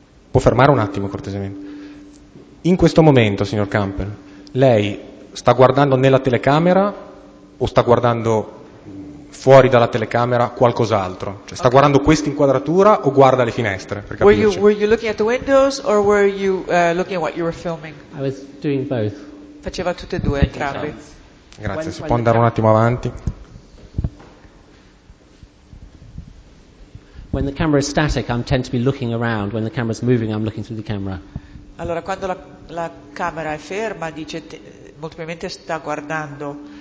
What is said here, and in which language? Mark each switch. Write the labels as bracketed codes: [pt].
[it] Può fermare un attimo cortesemente? In questo momento, signor Campbell, lei sta guardando nella telecamera o sta guardando fuori dalla telecamera qualcos'altro? Cioè, sta guardando questa inquadratura o guarda le finestre? Per capirci. [en] Were you looking at the windows or were you looking at what you were filming? I was doing both. [it] Faceva tutte e due, entrambi. Grazie, si può andare un attimo avanti? [en] When the camera is static, I tend to be looking around. When the camera is moving, I'm looking through the camera. [it] Allora, quando la camera è ferma, dice, molto probabilmente sta guardando.